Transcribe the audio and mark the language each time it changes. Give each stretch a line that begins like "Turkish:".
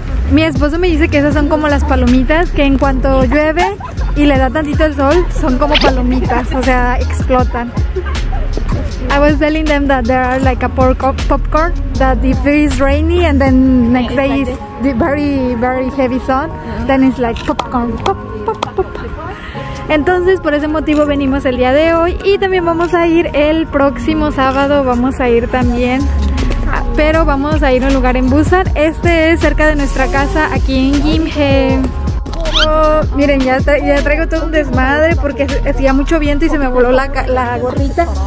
Spanish: Mi esposo me dice que esas son como las palomitas, que en cuanto llueve y le da tantito el sol, son como palomitas, o sea, explotan.
English: I was telling them that there are like a popcorn that if it is rainy and then next day is the very very heavy sun, then it's like popcorn, pop.
Spanish: Entonces por ese motivo venimos el día de hoy y también vamos a ir el próximo sábado, vamos a ir también, pero vamos a ir a un lugar en Busan. Este es cerca de nuestra casa aquí en Gimpo. Miren, ya traigo todo un desmadre porque hacía mucho viento y se me voló la gorrita.